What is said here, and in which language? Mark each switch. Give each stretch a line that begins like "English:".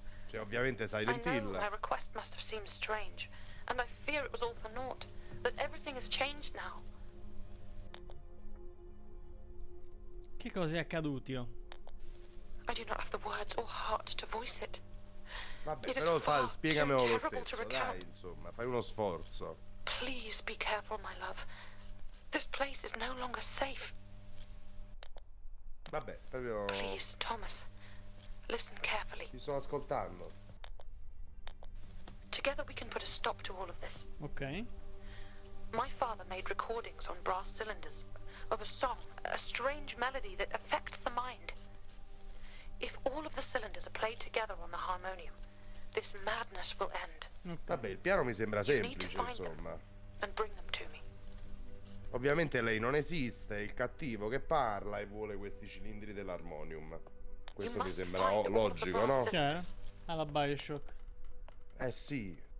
Italian: Cioè, ovviamente Silent Hill.
English: I know my request must have seemed strange, and I fear it was all for naught, that everything has changed now.
Italian: Che cosa è accaduto?
English: I do not have the words or heart to voice it.
Italian: Vabbè, però spiegamelo lo stesso, dai, insomma, fai uno sforzo.
English: Please be careful, my love. This place is no longer safe.
Italian: Vabbè, proprio.
English: Please, Thomas, listen carefully.
Italian: Ti sto ascoltando.
English: Together we can put a stop to all of this.
Italian: Okay.
English: My father made recordings on brass cylinders of a song, a strange melody that affects the mind. If all of the cylinders are played together on the harmonium, this madness will end.
Italian: Okay. Vabbè, il piano mi sembra semplice, insomma.
English: And bring them to me.
Italian: Ovviamente lei non esiste, è il cattivo che parla e vuole questi cilindri dell'armonium. Questo mi sembra logico, no? Cioè, alla Bioshock. Eh sì.